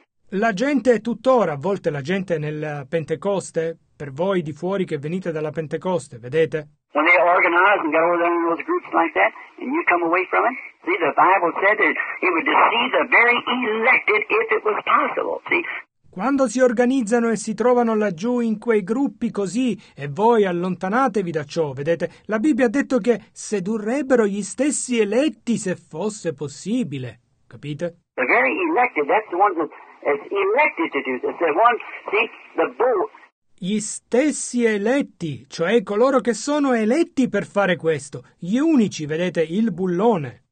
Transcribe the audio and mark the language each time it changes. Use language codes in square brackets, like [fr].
[it] La gente è tuttora, a volte la gente nel Pentecoste, per voi di fuori che venite dalla Pentecoste, vedete? [en] When they organize and get over there in those groups like that, and you come away from it, see, the Bible said that it would deceive the very elected if it was possible, see? [it] Quando si organizzano e si trovano laggiù in quei gruppi così e voi allontanatevi da ciò, vedete? La Bibbia ha detto che sedurrebbero gli stessi eletti se fosse possibile, capite? [en] The very elected, that's the one that's elected to do this. The one, see, the bull. [it] Gli stessi eletti, cioè coloro che sono eletti per fare questo, gli unici, vedete, il bullone.